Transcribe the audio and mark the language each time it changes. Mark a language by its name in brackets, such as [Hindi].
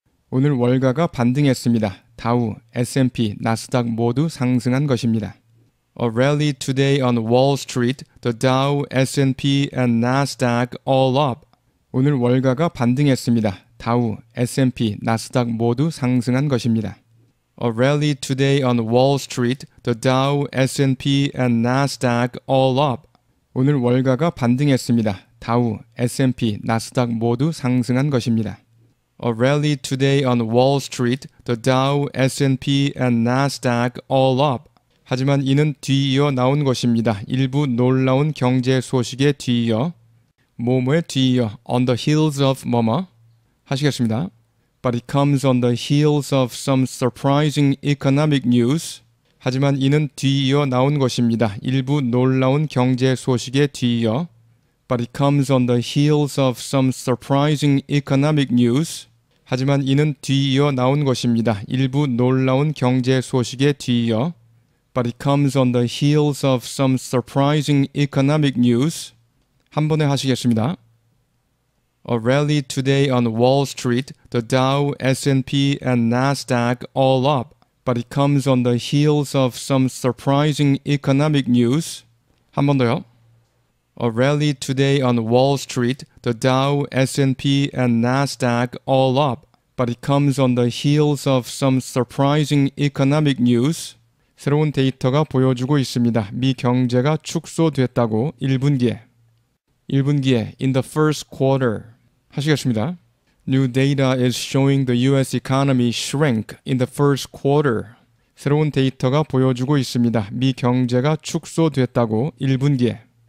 [Korean] 오늘 월가가 반등했습니다. 다우, S&P, 나스닥 모두 상승한 것입니다. [English] A rally today on Wall Street. The Dow, S&P and Nasdaq all up. [Korean] 오늘 월가가 반등했습니다. 다우, S&P, 나스닥 모두 상승한 것입니다. [English] A rally today on Wall Street. The Dow, S&P and Nasdaq all up. [Korean] 오늘 월가가 반등했습니다. 다우, S&P, 나스닥 모두 상승한 것입니다. [English] A rally today on Wall Street. The Dow, S&P and Nasdaq all up. [Korean] 하지만 이는 뒤이어 나온 것입니다. 일부 놀라운 경제 소식에 뒤이어 뭐뭐에 뒤이어 [English] on the heels of [Korean] 뭐뭐 하시겠습니다. [English] But it comes on the heels of some surprising economic news. [Korean] 하지만 이는 뒤이어 나온 것입니다. 일부 놀라운 경제 소식에 뒤이어 [English] But it comes on the heels of some surprising economic news. [Korean] 하지만 이는 뒤이어 나온 것입니다. 일부 놀라운 경제 소식에 뒤이어 [English] But it comes on the heels of some surprising economic news. [Korean] 한 번에 하시겠습니다. [English] A rally today on Wall Street, the Dow, S&P, and Nasdaq all up. But it comes on the heels of some surprising economic news. [Korean] 한 번 더요. [English] A rally today on Wall Street, the Dow, S&P, and Nasdaq all up. But it comes on the heels of some surprising economic news. [Korean] 새로운 데이터가 보여주고 있습니다. 미 경제가 축소됐다고 1분기에. 1분기에 [English] in the first quarter. [Korean] 하시겠습니다. [English] New data is showing the U.S. economy shrank in the first quarter. [Korean] 새로운 데이터가 보여주고 있습니다. 미 경제가 축소됐다고 1분기에.